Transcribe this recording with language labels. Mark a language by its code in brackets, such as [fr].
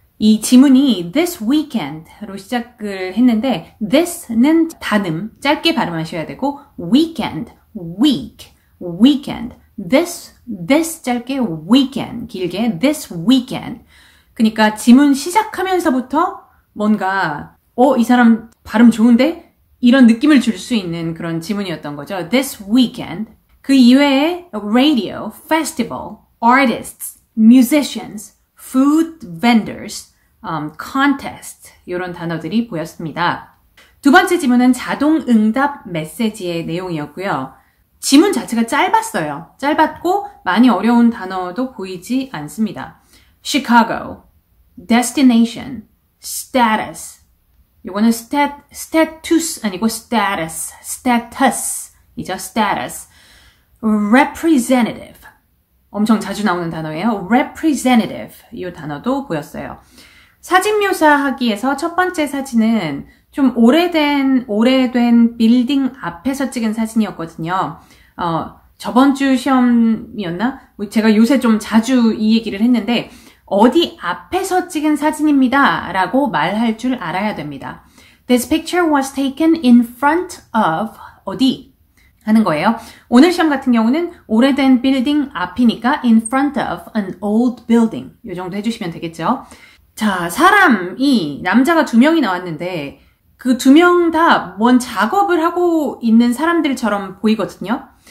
[ko] 이 지문이 this weekend로 시작을 했는데 this는 단음, 짧게 발음하셔야 되고 weekend, week, weekend, this 짧게 weekend, 길게 this weekend. 그러니까 지문 시작하면서부터 뭔가 이 사람 발음 좋은데? 이런 느낌을 줄 수 있는 그런 지문이었던 거죠. [en] This weekend. [ko] 그 이외에 radio, festival, artists, musicians, food vendors, contest 이런 단어들이 보였습니다. 두 번째 지문은 자동 응답 메시지의 내용이었고요. 지문 자체가 짧았어요. 짧았고 많이 어려운 단어도 보이지 않습니다. [en] Chicago, destination, status. [ko] 요거는 status 아니고 status이죠. [en] status. representative. [ko] 엄청 자주 나오는 단어예요. representative. 이 단어도 보였어요. 사진 묘사하기에서 첫 번째 사진은 좀 오래된 빌딩 앞에서 찍은 사진이었거든요. 저번 주 시험이었나? 제가 요새 좀 자주 이 얘기를 했는데, 어디 앞에서 찍은 사진입니다. 라고 말할 줄 알아야 됩니다. [en] This picture was taken in front of [ko] 어디 하는 거예요. 오늘 시험 같은 경우는 오래된 빌딩 앞이니까 [en] in front of an old building [ko] 이 정도 해주시면 되겠죠. 자, 사람이 남자가 두 명이 나왔는데 그 두 명 다 뭔 작업을 하고 있는 사람들처럼 보이거든요.